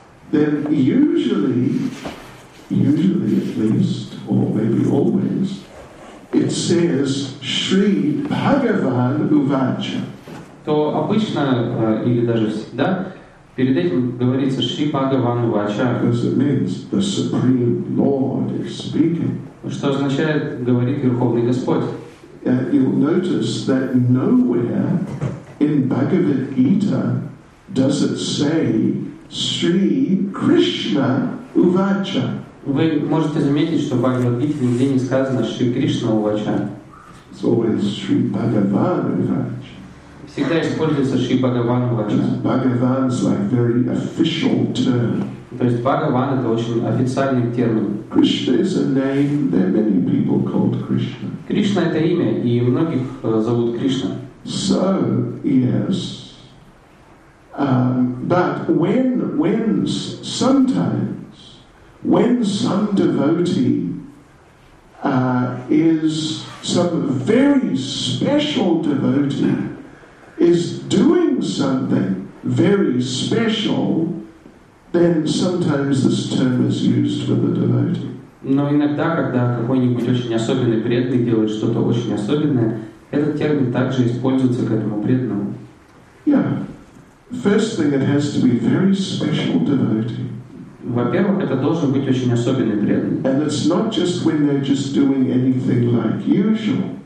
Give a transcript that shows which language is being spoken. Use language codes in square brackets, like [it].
[en] Then usually at least, or maybe always, it says Shri Bhagavan Uvacha. [ru] То обычно или даже всегда перед этим говорится Шри Бхагаван Увача. [en] Because it means the Supreme Lord is speaking. [ru] Что означает говорит Верховный Господь. [en] You'll notice that nowhere in Bhagavad Gita does it say Shri Krishna Uvacha. [ru] Вы можете заметить, что в Бхагавад-гите нигде не сказано Шри Кришна Увача. [en] It's always Shri Bhagavan Uvacha. [ru] Всегда используется Шри Бхагаван Увача. [en] Bhagavan is like very official term. [ru] То есть Бхагаван это очень официальный термин. [en] Krishna is a name that many people called Krishna. [ru] Кришна это имя, и многих зовут Кришна. [en] So yes, but when some devotee is some very special devotee is doing something very special, then sometimes this term is used for the devotee. [ru] Но иногда, когда какой-нибудь очень особенный преданный делает что-то очень особенное, этот термин также используется к этому преданному. [en] Yeah. First thing, it has to be very special devotee. [ru] Во-первых, это должен быть очень особенный преданный. [en] And it's not just when they're just doing anything like usual.